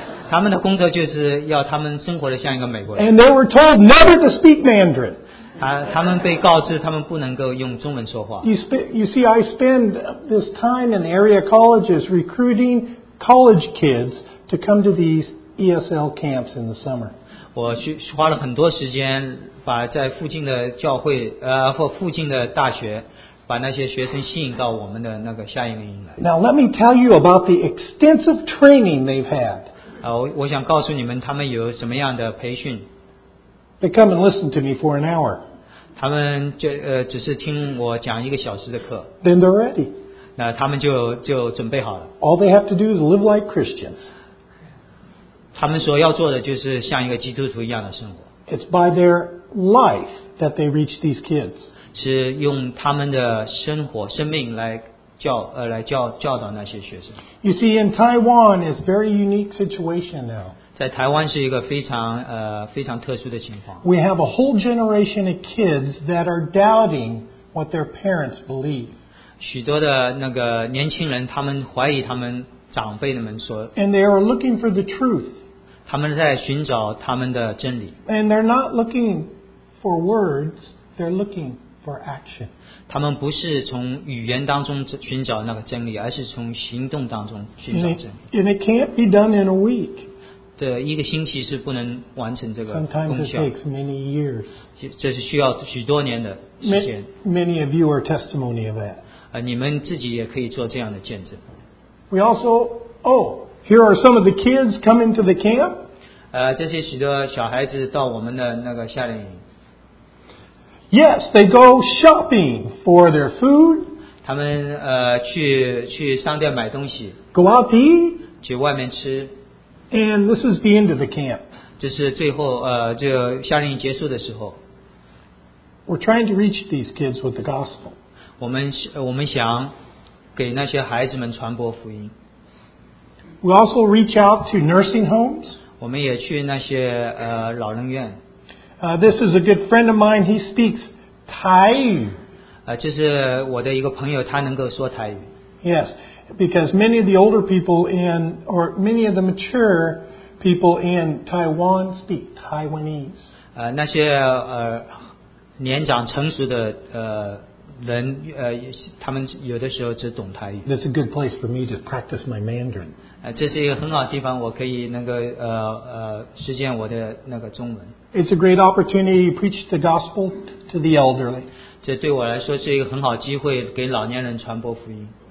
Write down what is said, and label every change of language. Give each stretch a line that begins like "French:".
Chinese: 他们的工作就是要他们生活的像一个美国人。
English: And they were told never to speak Mandarin.
Chinese: 他们被告知他们不能够用中文说话。
English: You see, I spend this time in area colleges recruiting college kids to come to these ESL camps in the summer.
Chinese: 我花了很多时间把在附近的教会或附近的大学把那些学生吸引到我们的那个夏令营来。
English: Now let me tell you about the extensive training they've had.
Chinese: 我想告诉你们他们有什么样的培训。
English: They come and listen to me for an hour.
Chinese: 他们就只是听我讲一个小时的课。
English: Then they're ready.
Chinese: 那他们就准备好了。
English: All they have to do is live like Christians.
Chinese: 他们所要做的就是像一个基督徒一样的生活。
English: It's by their life that they reach these kids.
Chinese: 是用他们的生活、生命来教导那些学生。
English: You see, in Taiwan, it's a very unique situation now.
Chinese: 在台湾是一个非常特殊的情况。
English: We have a whole generation of kids that are doubting what their parents believe.
Chinese: 许多的那个年轻人，他们怀疑他们长辈们说。
English: And they are looking for the truth.
Chinese: 他们在寻找他们的真理。
English: And they're not looking for words, they're looking for action.
Chinese: 他们不是从语言当中寻找那个真理，而是从行动当中寻找真理。
English: And it can't be done in a week.
Chinese: 对，一个星期是不能完成这个功效。
English: Sometimes it takes many years.
Chinese: 这是需要许多年的时间。
English: Many of you are testimony of that.
Chinese: 你们自己也可以做这样的见证。
English: We also, oh, here are some of the kids coming to the camp.
Chinese: 这些许多小孩子到我们的那个夏令营。
English: Yes, they go shopping for their food.
Chinese: 他们去商店买东西。
English: Go out to eat.
Chinese: 去外面吃。
English: And this is the end of the camp.
Chinese: 这是最后这个夏令营结束的时候。
English: We're trying to reach these kids with the gospel.
Chinese: 我们想给那些孩子们传播福音。
English: We also reach out to nursing homes.
Chinese: 我们也去那些老人院。
English: This is a good friend of mine. He speaks Thai.
Chinese: 这是我的一个朋友，他能够说台语。
English: Yes, because many of the older people in, or many of the mature people in Taiwan speak Taiwanese.
Chinese: 那些年长成熟的人他们有的时候只懂台语。
English: That's a good place for me to practice my Mandarin.
Chinese: 这是一个很好的地方，我可以那个实践我的那个中文。
English: It's a great opportunity to preach the gospel to the elderly.
Chinese: 这对我来说是一个很好机会，给老年人传播福音。